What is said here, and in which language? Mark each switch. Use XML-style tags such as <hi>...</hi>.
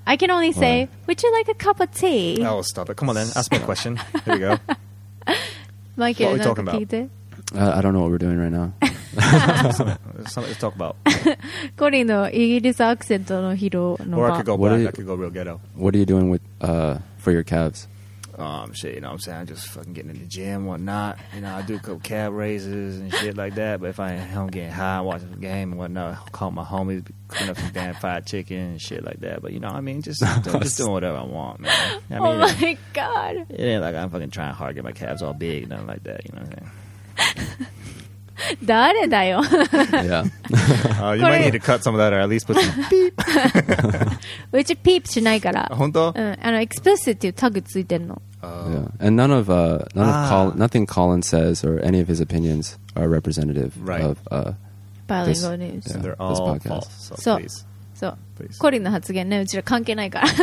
<en>I can only say, would you like a cup of tea? Oh, stop it. Come on then. Ask me a question. Here we go.</en> <ja>マイケル、</ja> <en>what are we talking about? I don't know what we're doing right now. something to talk about.</en> <ja>コリンのイギリスアクセントの披露の場。</ja> <en>Or I could go black. I could go real ghetto. What are you doing with, for your calves? Oh, I'm shit. You know what I'm saying? I'm just fucking getting in the gym, whatnot. You know, I do a couple calf raises and shit like that. But if I ain't home getting high, watching the game and whatnot, I'll call my homies, clean up some damn fried chicken and shit like that. But you know what I mean? Just doing whatever I want, man. I mean, oh, my God. It ain't like I'm fucking trying hard to get my calves all big, nothing like that. You know what I'm saying?</en> <ja>誰だよ?</ja> <en>Yeah. You might need to cut some of that or at least put some beep.</en> <ja>うちピープしないから。本当? Explicit っていうタグついてんの。</ja> <en>Yeah. And nothing Colin says or any of his opinions are representative of Bilingual News. Yeah, they're all false. So please.</en> <ja>Colin の発言ね、うちら関係ないから。</ja>